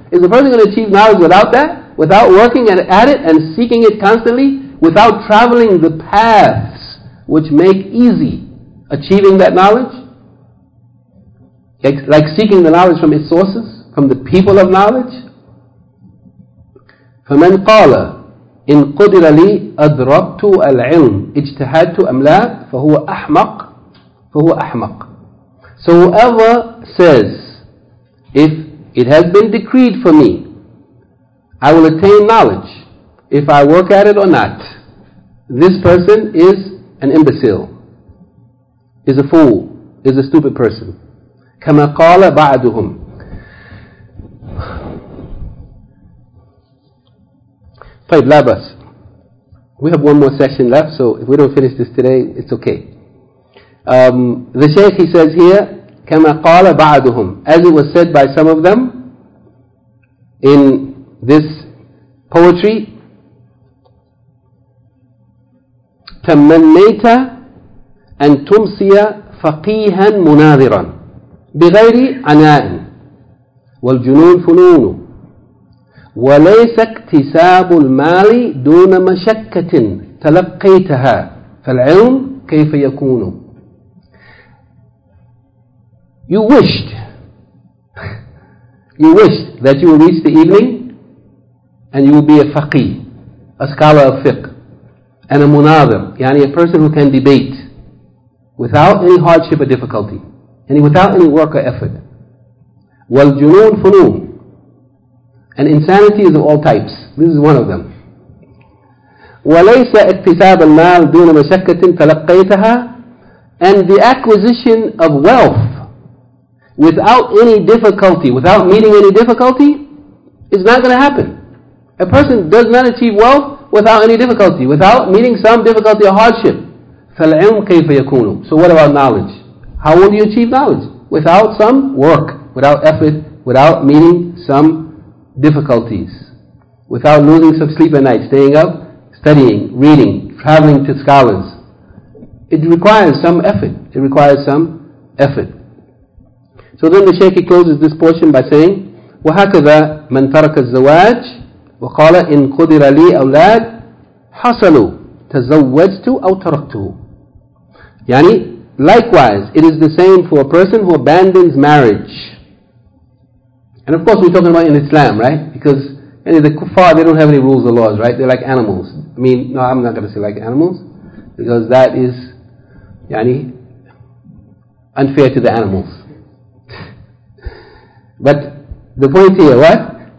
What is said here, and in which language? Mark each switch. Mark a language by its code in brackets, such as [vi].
[en] Is a person going to achieve knowledge without that? Without working at it and seeking it constantly, without traveling the paths which make easy achieving that knowledge, like seeking the knowledge from its sources, from the people of knowledge. [ar] فمن قال إن قدر لي أدركت العلم اجتهدت أم لا فهو أحمق فهو أحمق. [en] So whoever says, if it has been decreed for me, I will attain knowledge if I work at it or not, this person is an imbecile, is a fool, is a stupid person. [ar] كما قال بعضهم. طيب لا بس. [en] We have one more session left, so if we don't finish this today, it's okay. The Shaykh, he says here, [ar] كما قال بعضهم, [en] as it was said by some of them in this poetry, [ar] تمنيت أن تمسي فقيها مناظرا بغير عناء والجنون فنون وليس اكتساب المال دون مشكة تلقيتها فالعلم كيف يكون. [en] You wished that you will reach the evening and you will be a faqih, a scholar of fiqh, and a munadhir, yani a person who can debate without any hardship or difficulty, and without any work or effort. [ar] Wal junoon funoon, [en] and insanity is of all types. This is one of them. [ar] وَلَيْسَ اِكْتِسَابَ الْمَالِ دُونَ مَشَكَّةٍ تَلَقَّيْتَهَا, [en] and the acquisition of wealth without any difficulty, without meeting any difficulty, is not going to happen. A person does not achieve wealth without any difficulty, without meeting some difficulty or hardship. [ar] فَالْعِلْمُ كَيْفَ يَكُونُ. [en] So what about knowledge? How will you achieve knowledge? Without some work, without effort, without meeting some difficulties, without losing some sleep at night, staying up, studying, reading, traveling to scholars. It requires some effort. It requires some effort. So then the Shaykh closes this portion by saying, [ar] وَهَكَذَا مَنْ تَرَكَ الزَّوَاجِ وقال إن قدر لي أولاد حصلوا تزوجت أو تركته. [en] يعني likewise, it is the same for a person who abandons marriage. And of course we're talking about in Islam, right? Because any of the kuffar, they don't have any rules or laws, right? They're like animals. I mean, no, I'm not going to say like animals, because that is يعني unfair to the animals. But the point here, what?